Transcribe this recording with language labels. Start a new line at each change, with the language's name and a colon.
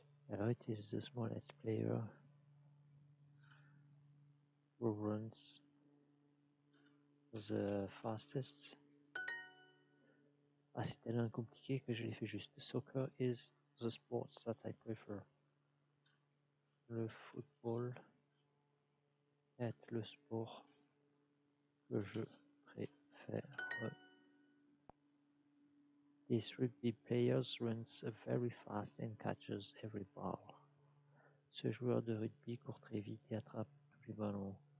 English: Alors, it is the smallest player who runs the fastest.
French: Ah, c'est tellement compliqué que je l'ai fait juste.
English: Soccer is the sport that I prefer.
French: Le football est le sport que je préfère.
English: These rugby players runs very fast and catches every ball.
French: Ce joueur de rugby court très vite et attrape tous les ballons.